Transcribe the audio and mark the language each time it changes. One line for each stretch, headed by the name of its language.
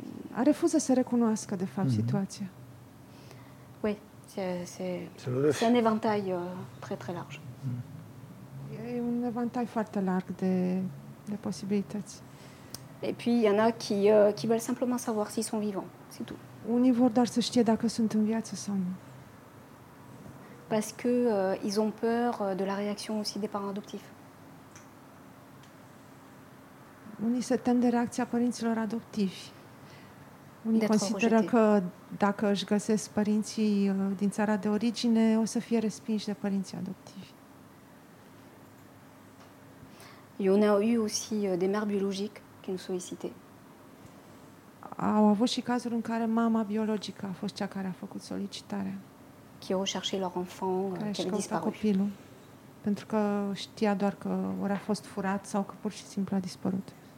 Romanian: A refuză să recunoască, de fapt, situația.
French: Oui, c'est un éventail très, très large.
Romanian: E un éventail foarte larg de posibilități.
French: Et puis, il y en a qui veulent simplement savoir s'ils sont vivants. C'est tout.
Romanian: Unii vor doar să știe dacă sunt în viață sau nu.
French: Parce que ils ont peur de la réaction aussi des parents adoptifs.
Romanian: Unii se tem de reacția părinților adoptivi. Unii consideră că dacă își găsesc părinții din țara de origine, o să fie respinși de părinții adoptivi.
French: Il y en a eu aussi des mères biologiques qui nous sollicitaient.
Romanian: Au avut și cazuri în care mama biologică a fost cea care a făcut solicitarea.
French: Qui recherchait leur enfant qui avait disparu.
Romanian: Copilul, pentru că știa doar că ori a fost furat sau că pur și simplu a dispărut.